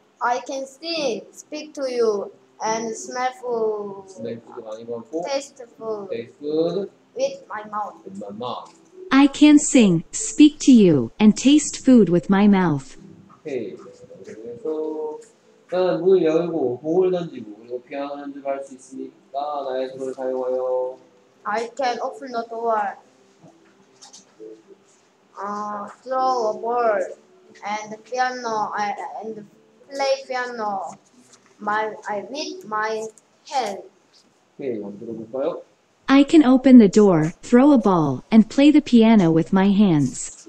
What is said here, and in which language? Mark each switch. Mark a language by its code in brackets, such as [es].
[en] I can see, speak to you, and smell food. Smell food [ko] 많이 먹고. [en] Taste food. Taste food. With my mouth. With my mouth. I can sing, speak to you, and taste food with my mouth. [ko] 오케이. 그래서 나는 문을 열고 공을 던지고 그리고 피아노 연주할 수 있으니까 나의 손을 사용하여 [en] I can open the door, throw a ball, and piano, and play piano with my hand. [ko] 오케이, 만들어 볼까요? [en] I can open the door, throw a ball, and play the piano with my hands.